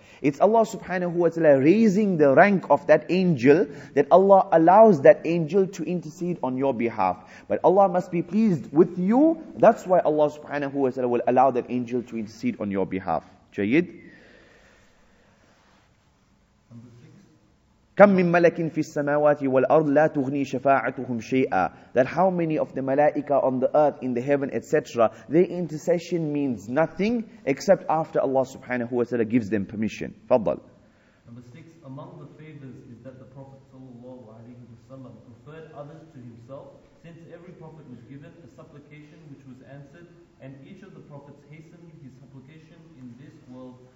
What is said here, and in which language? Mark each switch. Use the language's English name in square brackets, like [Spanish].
[English] It's Allah subhanahu wa ta'ala raising the rank of that angel, that Allah allows that angel to intercede on your behalf. But Allah must be pleased with you, that's why Allah subhanahu wa ta'ala will allow that angel to intercede on your behalf. [Arabic] Jayid? كم من ملك في السماوات والأرض لا تغني شفاعتهم شيئا. [English] That how many of the malaika on the earth, in the heaven, etc., their intercession means nothing except after Allah subhanahu wa ta'ala gives them permission. [Arabic] Fadal. [English] Number six, among the favors is that the Prophet sallallahu alayhi wa sallam preferred others to himself, since every prophet was given a supplication which was answered, and each of the prophets hastened his supplication in this world.